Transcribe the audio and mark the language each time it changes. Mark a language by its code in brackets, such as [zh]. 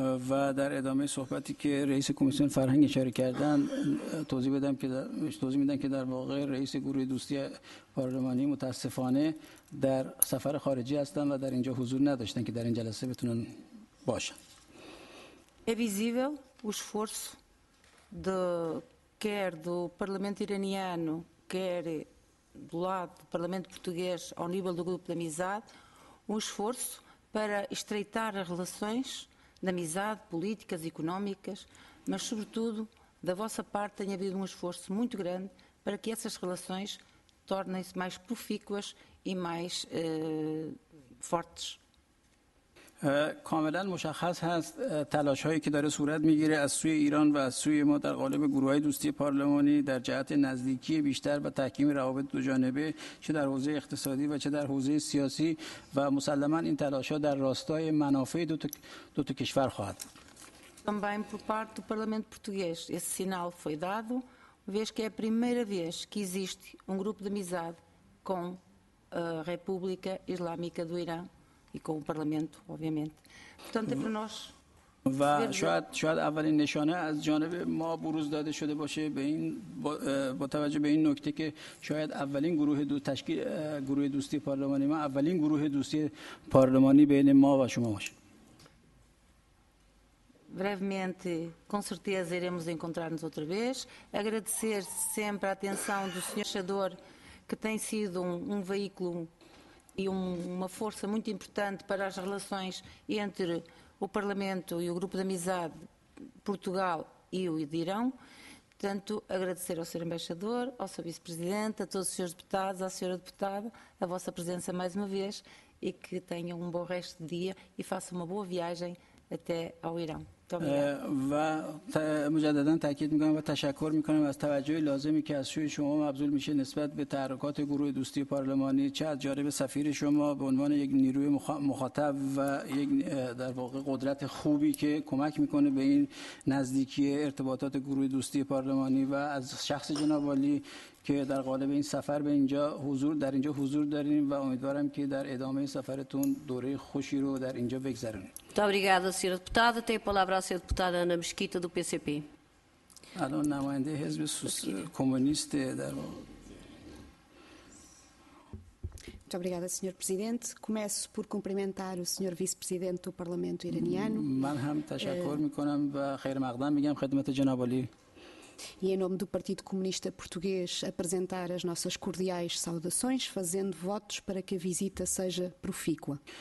[fa] و در ادامه صحبتی که رئیس کمیسیون فرهنگ اشاره کردن توضیح میدم که در واقع رئیس گروه دوستی پارلمانی متاسفانه در سفر خارجی هستن و در اینجا حضور نداشتن که در این جلسه بتونن باشن. [pt] É visível o esforço do quer do Parlamento iraniano, quer do lado do Parlamento português, ao nível do Grupo de Amizade, um esforço para estreitar as relações de amizade, políticas e económicas, mas, sobretudo, da vossa parte, tem havido um esforço muito grande para que essas relações tornem-se mais profícuas e mais fortes. [fa] کاملا مشخص هست تلاش هایی که داره صورت میگیره از سوی ایران و از سوی ما در قالب گروه های دوستی پارلمانی در جهت نزدیکی بیشتر و تحکیم روابط دو جانبه، چه در حوزه اقتصادی و چه در حوزه سیاسی، و مسلما این تلاش ها در راستای منافع دو تا کشور خواهد. [pt] Também por parte do Parlamento Português esse sinal foi dado, vez que é a primeira vez que existe um grupo de amizade com a República Islâmica do Irã e com o Parlamento, obviamente. Portanto, é para nós. [fa] و شاید اولین نشانه از جانب ما بروز داده شده باشه به این با توجه به این نکته که شاید اولین گروه دو تشکیل گروه دوستی پارلمانی ما اولین گروه دوستی پارلمانی بین ما و شما باشه. [pt] Brevemente, com certeza iremos encontrar-nos outra vez. Agradecer sempre a atenção do senhor embaixador, que tem sido um veículo e uma força muito importante para as relações entre o Parlamento e o Grupo de Amizade Portugal e o Irão. Portanto, agradecer ao Sr. Embaixador, ao Sr. Vice-Presidente, a todos os senhores deputados, à Sra. Deputada, a vossa presença mais uma vez, e que tenham um bom resto de dia e façam uma boa viagem até ao Irão. [fa] و مجددا تاکید میکنم و تشکر میکنم از توجه لازمی که از سوی شما مبذول میشه نسبت به تحرکات گروه دوستی پارلمانی، چه از جانب سفیر شما به عنوان یک نیروی مخاطب و یک در واقع قدرت خوبی که کمک میکنه به این نزدیکی ارتباطات گروه دوستی پارلمانی، و از شخص جناب عالی که در قالب این سفر به اینجا حضور در اینجا حضور داریم و امیدوارم که در ادامه سفرتون دوره خوشی رو در اینجا بگذرونید. [pt] Muito obrigada, senhora deputada. Tem a palavra a senhora deputada Ana Mesquita do PCP. [fa] Alô, نماینده حزب کمونیست در [pt] Muito obrigada, Sr. Presidente. Começo por cumprimentar o Sr. Vice-Presidente do Parlamento iraniano. E em nome do Partido Comunista Português, apresentar as nossas cordiais saudações, fazendo votos para que a visita seja profícua.